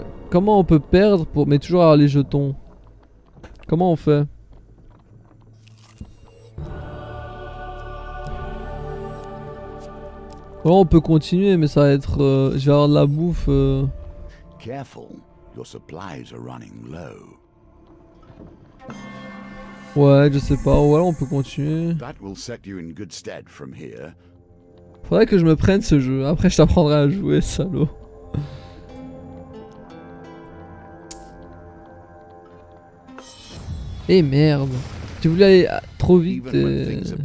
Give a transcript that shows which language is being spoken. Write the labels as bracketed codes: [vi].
[fr] Comment on peut perdre pour mais toujours avoir les jetons? Comment on fait? Ouais, on peut continuer, mais ça va être. Je vais avoir de la bouffe. [en] Careful, your supplies are running low. [fr] Ouais, je sais pas. Ouais, on peut continuer. [en] That will set you in good stead from here. [fr] Faudrait que je me prenne ce jeu. Après, je t'apprendrai à jouer, salaud. Eh merde. Tu voulais aller trop vite et...